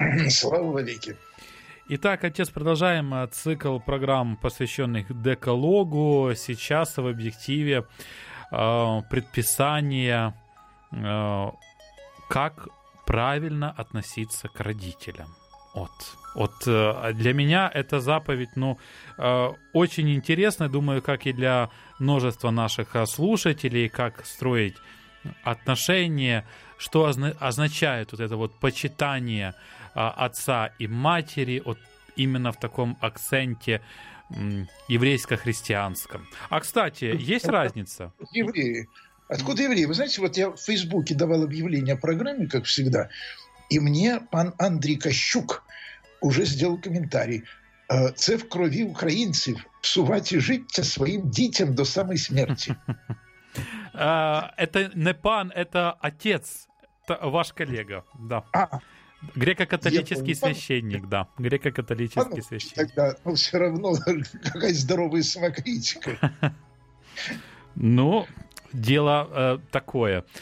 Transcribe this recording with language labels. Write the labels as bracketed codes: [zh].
[uk] Слава велике! І так, отець, продовжуємо цикл програм, посвящених декалогу. [ru] Сейчас [uk] в об'єктиві предписання, як правильно відноситися [ru] к родителям. От для меня эта заповедь, очень интересная, думаю, как и для множества наших слушателей, как строить отношения, что означает вот это вот почитание отца и матери, вот именно в таком акценте еврейско-христианском. А, кстати, есть разница? Евреи. Откуда евреи? Вы знаете, вот я в Фейсбуке давал объявление о программе, как всегда, и мне пан Андрей Кощук уже сделал комментарий. [uk] «Це в крові українців псувати життя своїм дітям до самої смерті». [ru] Это не пан, это отец, ваш коллега, да. Греко-католический священник, да. Греко-католический священник. Тогда, но все равно, какая здоровая самокритика. Ну... Дело такое.